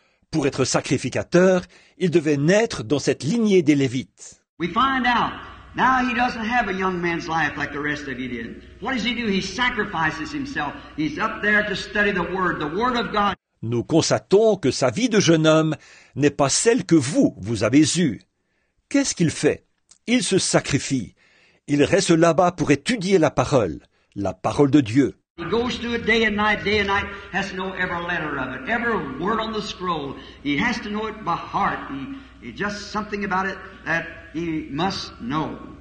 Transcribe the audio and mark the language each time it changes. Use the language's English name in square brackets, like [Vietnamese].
[French] Pour être sacrificateur, il devait naître dans cette lignée des Lévites. [English] We find out, now he doesn't have a young man's life like the rest of you did. What does he do? He sacrifices himself. He's up there to study the word of God. [French] Nous constatons que sa vie de jeune homme n'est pas celle que vous avez eue. Qu'est-ce qu'il fait? Il se sacrifie. Il reste là-bas pour étudier la parole de Dieu. [English] He goes through it day and night, has to know every letter of it, every word on the scroll. He has to know it by heart. He just something about it that he must know.